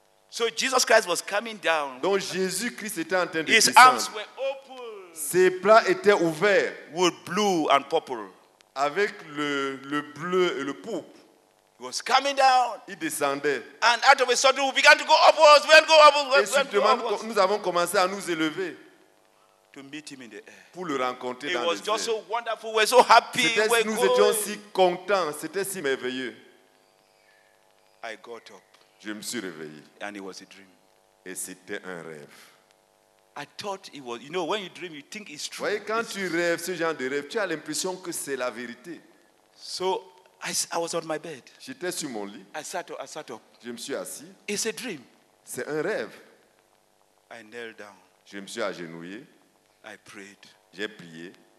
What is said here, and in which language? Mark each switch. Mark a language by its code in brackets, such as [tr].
[en] So Jesus Christ was coming down. [fr] Donc Jésus Christ était en train de [en] His [fr] descendre. [en] His arms were open. [fr] Ses bras étaient ouverts. [en] With blue and purple. [fr] Avec le bleu et le pourpre. [en] He was coming down. [fr] Il descendait. [en] And out of a sudden, we began to go upwards. We had to go upwards. [fr] Et subitement, nous avons commencé à nous élever. [en] To meet him in the air. [fr] Pour le rencontrer [en] It [fr] dans [en] was [fr] les [en] just [fr] airs. [en] So wonderful. We're so happy. We're [fr] nous [en] going. [fr] Étions si contents. C'était si merveilleux. [en] I got up. [fr] Je me suis réveillé. [en] And it was a dream. [fr] Et c'était un rêve. [en] I thought it was, you know, when you dream, you think it's true. [fr] Voyez, quand tu rêves ce genre de rêve, tu as l'impression que c'est la vérité. [en] So, I was on my bed. [fr] J'étais sur mon lit. [en] I sat up. [fr] Je me suis assis. [en] It's a dream. [fr] C'est un rêve. [en] I knelt down. [fr] Je me suis agenouillé. [en] I prayed. [fr] J'ai prié.